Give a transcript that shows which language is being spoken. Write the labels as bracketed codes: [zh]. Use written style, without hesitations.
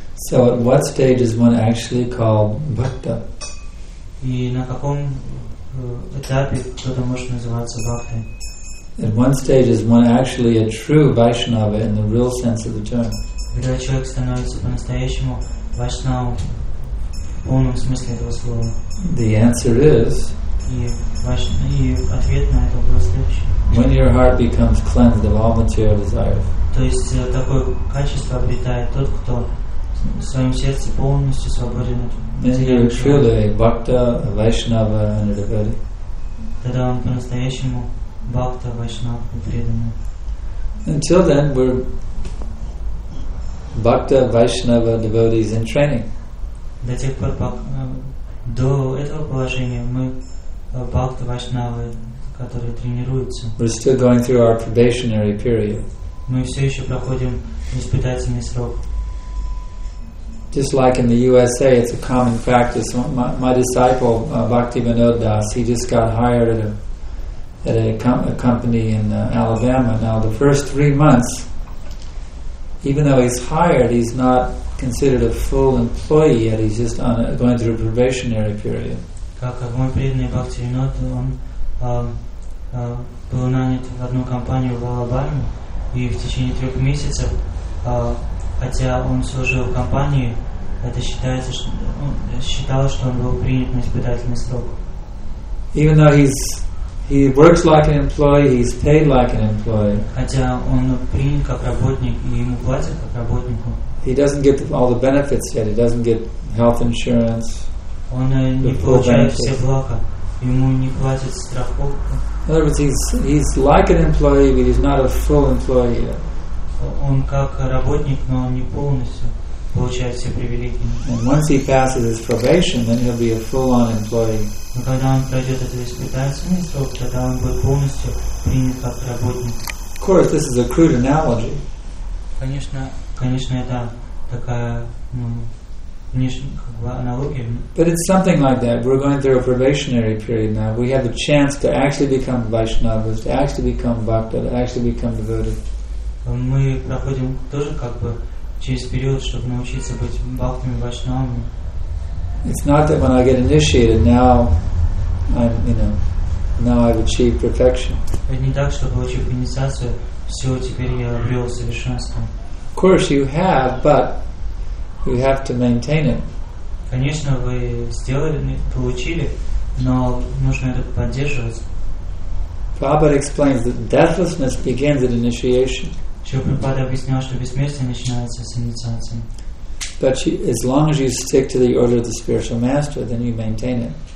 [en] So at what stage is one actually called Bhakta? [ru] И на каком этапе кто-то может называться Бхактой? [en] At one stage is one actually a true Vaishnava in the real sense of the term. [ru] Когда человек становится по-настоящему Vaishnava в полном смысле этого слова. [en] The answer is, [ru] и ответ на это был следующий. [en] When your heart becomes cleansed of all material desires. [ru] То есть такое качество обретает тот, кто в своем сердце полностью свободен от материальных. [en] Then you are truly a Bhakta, a Vaishnava, and a devotee. [ru] Тогда он по-настоящему Бхакта, Вайшнава и преданный. [en] Until then, we're Bhakta, Vaishnava, devotees in training. [ru] До тех пор, до этого положения, мы Бхакта, Вайшнава, которые тренируются. [en] We're still going through our probationary period. [ru] Мы все еще проходим испытательный срок. [en] Just like in the USA, it's a common practice. My disciple, Bhakti Vinod Das, he just got hired at a company in Alabama. Now, the first 3 months, even though he's hired, he's not considered a full employee yet. He's just going through a probationary period. [ru] Как мой преданный Бхакти Винод, он был нанят в одну компанию в Алабаме, и в течение 3 месяцев, хотя он служил в компании, это считается, считалось, что он был принят на испытательный срок. [en] Even though he works like an employee, he's paid like an employee. [ru] Хотя он принят как работник, и ему платят как работнику. [en] He doesn't get all the benefits yet. He doesn't get health insurance. [ru] Он не получает все блага. Ему не платят страховку. [en] In other words, he's like an employee, but he's not a full employee yet. [ru] Он как работник, но не полностью получает все привилегии. [en] And once he passes his probation, then he'll be a full-on employee. [ru] Но когда он пройдет этот испытательный срок, тогда он будет полностью принят как работник. [en] Of course, this is a crude analogy. [ru] Конечно, это такая [en] But it's something like that. We're going through a probationary period now. We have the chance to actually become Vaishnavas, to actually become Bhakta, to actually become devoted. [ru] Мы проходим тоже как бы через период, чтобы научиться быть бхактами, вайшнавами. [en] It's not that when I get initiated, now I'm, you know, now I've achieved perfection. [ru] Это не так, что получив инициацию, все, теперь я обрел совершенство. [en] Of course you have, but you have to maintain it. [ru] Конечно, вы сделали, получили, но нужно это поддерживать. [en] Prabhupada explains that deathlessness begins at initiation. But you, as long as you stick to the order of the spiritual master, then you maintain it.